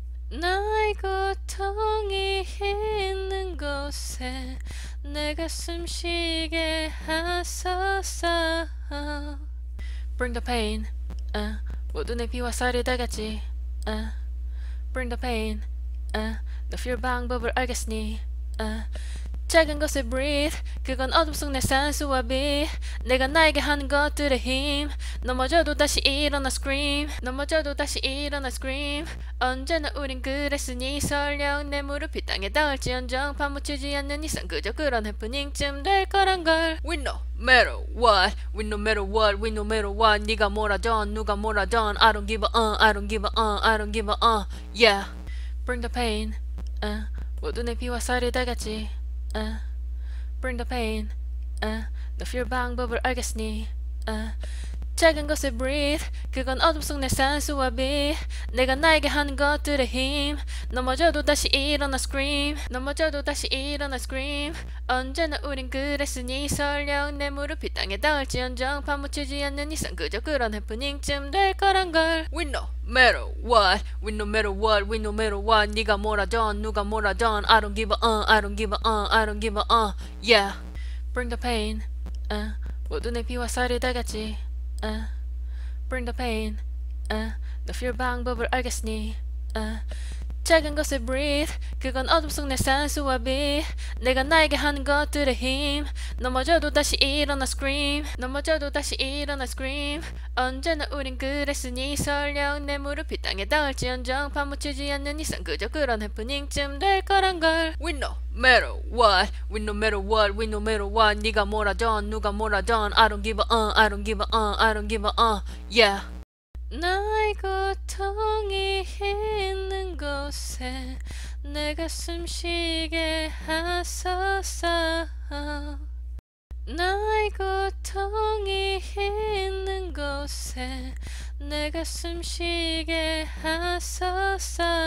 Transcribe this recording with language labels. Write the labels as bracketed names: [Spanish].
[Korean] 나의 고통이 있는 곳에 내가 숨 쉬게 하소서. [English] Bring the pain, [Korean] 모두 내 피와 살이 다 같이. [English] Bring the pain, the fear [Korean] 방법을 알겠으니. 작은 것에 breathe, 그건 어둠 속 내 산소와 빛. 내가 나에게 하는 것들의 힘. 넘어져도 다시 일어나 scream. 넘어져도 다시 일어나 scream. 언제나 우린 그랬으니 설령 내 무릎이 땅에 닿을지언정 파묻히지 않는 이상 그저 그런 해프닝쯤 될거란걸. [English] We no matter what, we no matter what, we no matter what. [Korean] 니가 뭐라던 누가 뭐라던. [English] I don't give a I don't give a I don't give a yeah. Bring the pain, [Korean] 모두 내 피와 살이 다 같이. [English] Bring the pain, the fear [Korean] 방법을 알겠으니. 작은 것에 breathe, 그건 어둠 속 내 산소와 빛. 내가 나에게 하는 것들의 힘. 넘어져도 다시 일어나 scream. 넘어져도 다시 일어나 scream. 언제나 우린 그랬으니 설령 내 무릎이 땅에 닿을지언정 파묻히지 않는 이상 그저 그런 해프닝쯤 될거란걸. [English] We no matter what, we no matter what, we no matter what. [Korean] 니가 뭐라던 누가 뭐라던. [English] I don't give a I don't give a I don't give a yeah. Bring the pain, [Korean] 모두 내 피와 살이 다 같이. [English] Bring the pain, the fear [Korean] 방법을 알겠으니. 작은 것에 breathe, 그건 어둠 속 내 산소와 빛. 내가 나에게 하는 것들의 힘. 넘어져도 다시 일어나 scream. 넘어져도 다시 일어나 scream. 언제나 우린 그랬으니 설령 내 무릎이 땅에 닿을지언정 파묻히지 않는 이상 그저 그런 해프닝쯤 될거란걸. [English] We no matter what, we no matter what, we no matter what. [Korean] 니가 뭐라던 누가 뭐라던. [English] I don't give a I don't give a I don't give a yeah. [Korean] 나의 고통이 있는 곳에 내가 숨 쉬게 하소서. 나의 고통이 있는 곳에 내가 숨 쉬게 하소서.